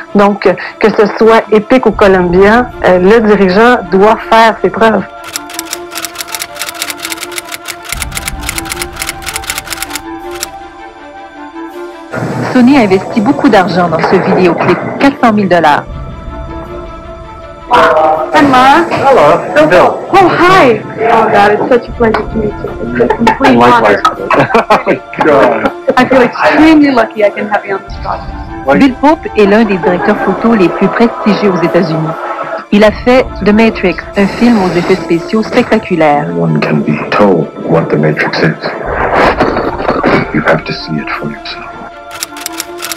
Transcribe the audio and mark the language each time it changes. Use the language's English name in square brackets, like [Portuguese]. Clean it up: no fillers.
[French] Donc, que ce soit Epic ou Columbia, le dirigeant doit faire ses preuves. Sony a investi beaucoup d'argent dans ce vidéoclip, 400 000 $. [English] Hi, Lara. Hello. Bill. Oh, hi. Oh, God, it's such a pleasure to meet you. I'm likewise. Oh, God. I feel extremely lucky I can have you on this project. [French] Bill Pope est l'un des directeurs photo les plus prestigieux aux États-Unis. Il a fait The Matrix, un film aux effets spéciaux spectaculaires. [English] One can be told what The Matrix is. You have to see it for yourself.